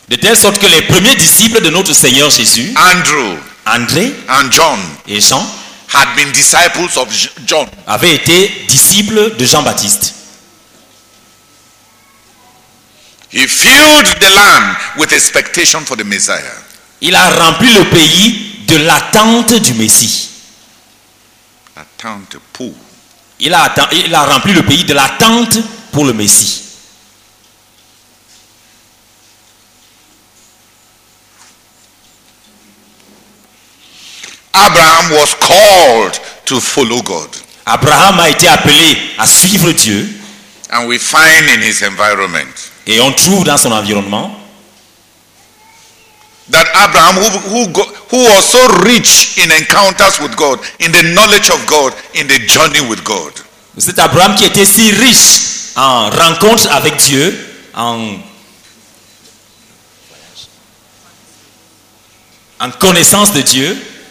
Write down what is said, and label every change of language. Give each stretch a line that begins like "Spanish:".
French: De telle sorte que les premiers disciples de notre Seigneur Jésus,
English: Andrew,
French: André
English: and John,
French: et Jean,
English: had been disciples of John.
French: Avaient été disciples de Jean-Baptiste.
English: He filled the land with expectation for the Messiah.
French: Il a rempli le pays de l'attente du Messie. Attente pour. Il a rempli le pays de l'attente pour le Messie.
English: Abraham was called to follow God.
French: Abraham a été appelé à suivre Dieu.
English: And we find in his environment.
French: Et on trouve dans son environnement
English: that Abraham, who was so rich in encounters with God, in the knowledge of God, in the journey with God.
French: C'est Abraham qui était si riche en rencontre avec Dieu, en connaissance de Dieu.